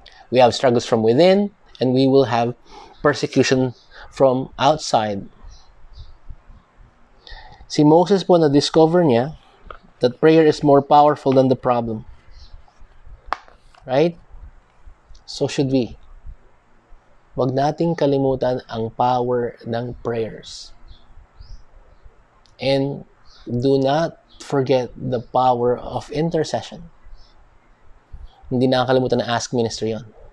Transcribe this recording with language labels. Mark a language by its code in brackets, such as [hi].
[en] We have struggles from within and we will have persecution from outside. [tl] Si Moses po na-discover niya [en] that prayer is more powerful than the problem. Right? So should we. [tl] Huwag nating kalimutan ang power ng prayers. [en] And do not forget the power of intercession. [tl] Hindi na kalimutan ang ask ministry yon.